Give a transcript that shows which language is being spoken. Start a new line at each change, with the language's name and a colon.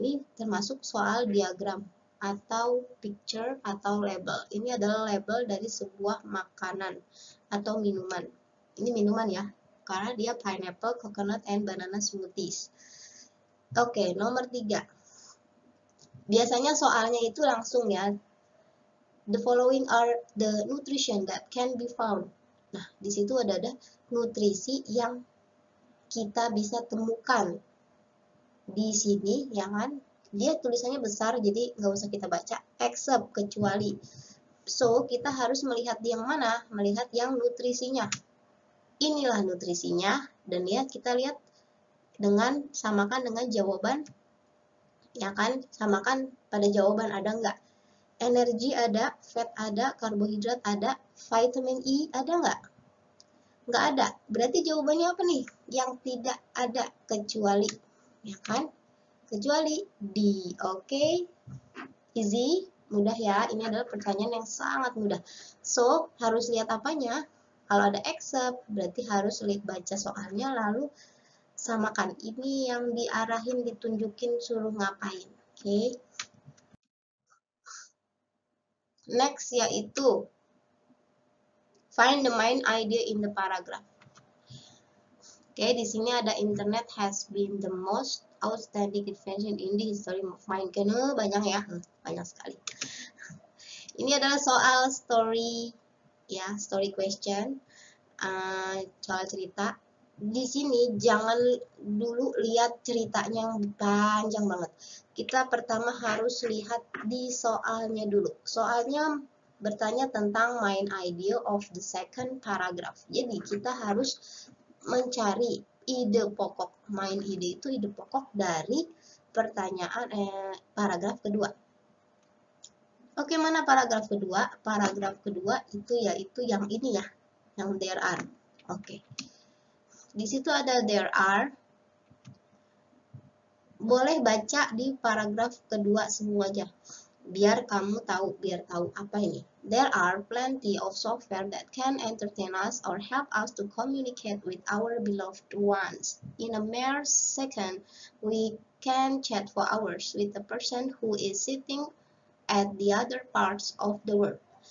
Indonesian: Ini termasuk soal diagram atau picture atau label. Ini adalah label dari sebuah makanan atau minuman. Ini minuman ya, karena dia
English: pineapple, coconut, and banana smoothies.
Indonesian: Oke, nomor 3. Biasanya soalnya itu langsung ya.
English: The following are the nutrition that can be found.
Indonesian: Nah, di situ ada nutrisi yang kita bisa temukan. Di sini, ya kan? Dia tulisannya besar, jadi nggak usah kita baca. Except, kecuali. So, kita harus melihat yang mana? Melihat yang nutrisinya. Inilah nutrisinya. Dan ya, kita lihat dengan samakan dengan jawaban, ya kan, samakan pada jawaban ada nggak, energi ada, fat ada, karbohidrat ada, vitamin E ada nggak ada, berarti jawabannya apa nih, yang tidak ada, kecuali, ya kan, kecuali D. Oke, easy, mudah ya, ini adalah pertanyaan yang sangat mudah. So, harus lihat apanya, kalau ada except berarti harus lihat baca soalnya, lalu samakan ini yang diarahin, ditunjukin, suruh ngapain. Oke.
English: Next yaitu find the main idea in the paragraph.
Indonesian: Oke, di sini ada
English: internet has been the most outstanding invention in the history of mankind.
Indonesian: Banyak ya, banyak sekali. Ini adalah soal story ya, story question. Soal cerita. Di sini jangan dulu lihat ceritanya yang panjang banget. Kita pertama harus lihat di soalnya dulu. Soalnya bertanya tentang
English: main idea of the second paragraph.
Indonesian: Jadi kita harus mencari ide pokok. Main ide itu ide pokok dari pertanyaan paragraf kedua. Oke, mana paragraf kedua? Paragraf kedua itu yaitu yang ini ya, yang there are. Oke. Di situ ada there are. Boleh baca di paragraf kedua semua aja. Biar kamu tahu, biar tahu apa ini.
English: There are plenty of software that can entertain us or help us to communicate with our beloved ones. In a mere second, we can chat for hours with the person who is sitting at the other parts of the world.